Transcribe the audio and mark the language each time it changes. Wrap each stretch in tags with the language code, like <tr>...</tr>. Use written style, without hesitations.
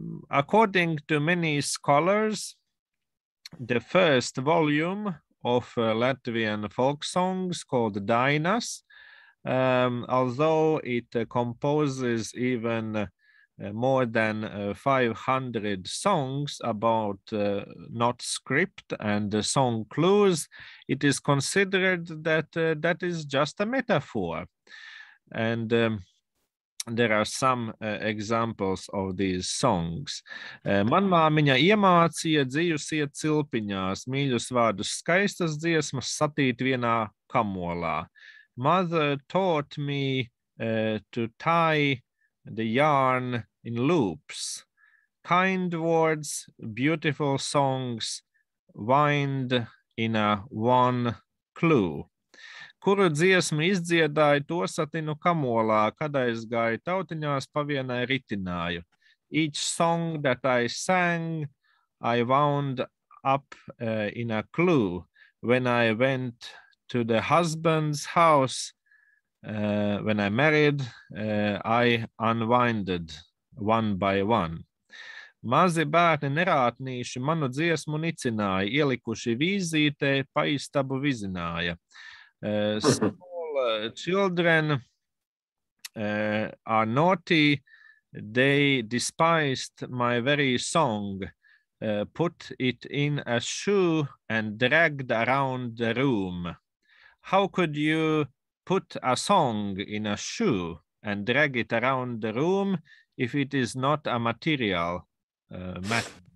<en>According to many scholars, the first volume of Latvian folk songs called Dainas, although it composes even more than 500 songs about not script and song clues, it is considered that that is just a metaphor. And there are some examples of these songs.</en> <lv>Man māmiņa iemācīja dzīvsiet cilpiņās, mīļus vārdus skaistas dziesmas satīt vienā kamolā.</lv> <en>Mother taught me to tie the yarn in loops. Kind words, beautiful songs, wind in a one clue.</en> <lv>Kuru dziesmu izdziedāju to satinu kamolā, kad aizgāju tautiņās pavienai ritināju.</lv> <en>Each song that I sang, I wound up in a clue. When I went to the husband's house, when I married, I unwinded one by one.</en> <lv>Mazi bērni nerātnīši manu dziesmu nicināja, ielikuši vīzītē, paistabu vizināja.</lv> <en>Small children are naughty, they despised my very song, put it in a shoe and dragged around the room. How could you put a song in a shoe and drag it around the room if it is not a material matter?</en>